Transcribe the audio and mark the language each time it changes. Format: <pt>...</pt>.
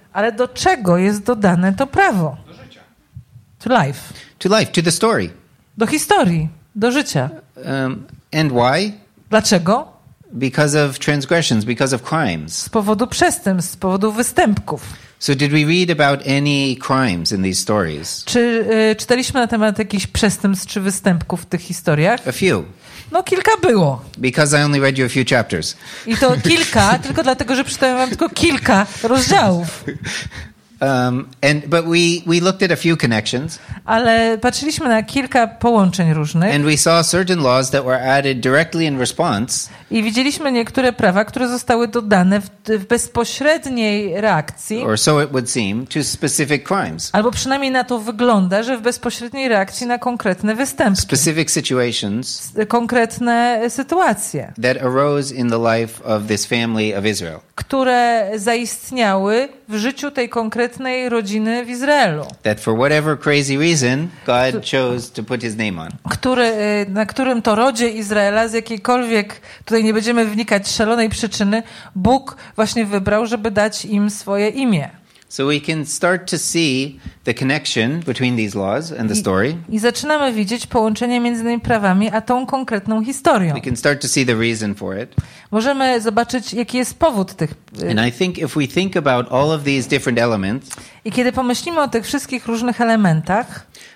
<pl>Ale do czego jest dodane to prawo?</pl> <en>To life. To life, to the story.</en> <pl>Do historii, do życia.</pl> <en>And why?</en> <pl>Dlaczego?</pl> <en>Because of transgressions, because of crimes.</en> <pl>Z powodu przestępstw, z powodu występków.</pl> <en>So did we read about any crimes in these stories?</en> <pl>Czy czytaliśmy na temat jakichś przestępstw czy występków w tych historiach?</pl> <en>A few.</en> <pl>No kilka było.</pl> <en>Because I only read you a few chapters.</en> <pl>I to kilka, tylko dlatego, że przeczytałem wam tylko kilka rozdziałów.</pl> <en>But we looked at a few connections.</en> <pl>Ale patrzyliśmy na kilka połączeń różnych.</pl> <en>And we saw certain laws that were added directly in response.</en> <pl>I widzieliśmy niektóre prawa, które zostały dodane w bezpośredniej reakcji.</pl> <en>Or so it would seem to specific crimes.</en> <pl>Albo przynajmniej na to wygląda, że w bezpośredniej reakcji na konkretne występki.</pl> <en>Specific situations.</en> <pl>Konkretne sytuacje.</pl> <en>That arose in the life of this family of Israel.</en> <pl>Które zaistniały w życiu tej konkretnej rodziny w Izraelu.</pl> <en>That for whatever crazy reason God chose to put his name on.</en> <pl>Na którym to rodzie Izraela z jakiejkolwiek, tutaj nie będziemy wnikać, szalonej przyczyny, Bóg właśnie wybrał, żeby dać im swoje imię.</pl> <en>So we can start to see the connection between these laws and the story.</en> <pl>I zaczynamy widzieć połączenie między tymi prawami a tą konkretną historią.</pl> <en>We can start to see the reason for it.</en> <pl>Możemy zobaczyć, jaki jest powód tych.</pl> <en>And I think if we think about all of these different elements.</en> <pl>I kiedy pomyślimy o tych wszystkich różnych elementach,</pl>